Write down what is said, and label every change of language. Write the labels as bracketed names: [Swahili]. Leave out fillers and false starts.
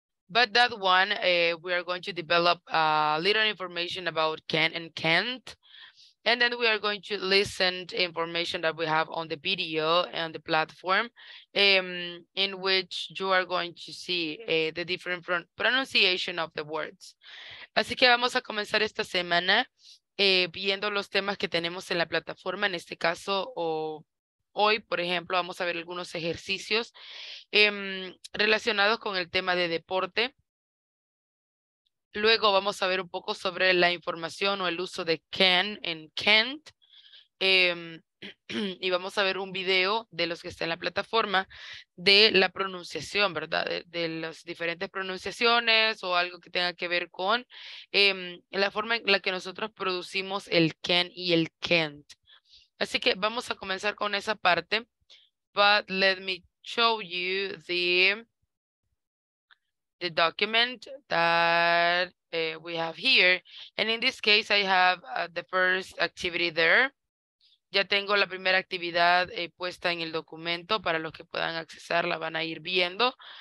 [English] But that one, we are going to develop a little information about can and can't, and then we are going to listen to information that we have on the video and the platform, in which you are going to see the different pronunciation of the words. [Spanish] Así que vamos a comenzar esta semana viendo los temas que tenemos en la plataforma. En este caso, o hoy, por ejemplo, vamos a ver algunos ejercicios relacionados con el tema de deporte. Luego vamos a ver un poco sobre la información o el uso de can en can't. Y vamos a ver un video de los que está en la plataforma de la pronunciación, ¿verdad? De las diferentes pronunciaciones o algo que tenga que ver con la forma en la que nosotros producimos el can y el can't. Así que vamos a comenzar con esa parte. [English] But let me show you the document that we have here. And in this case, I have the first activity there. [Spanish] Ya tengo la primera actividad puesta en el documento. Para los que puedan accesarla, van a ir viendo.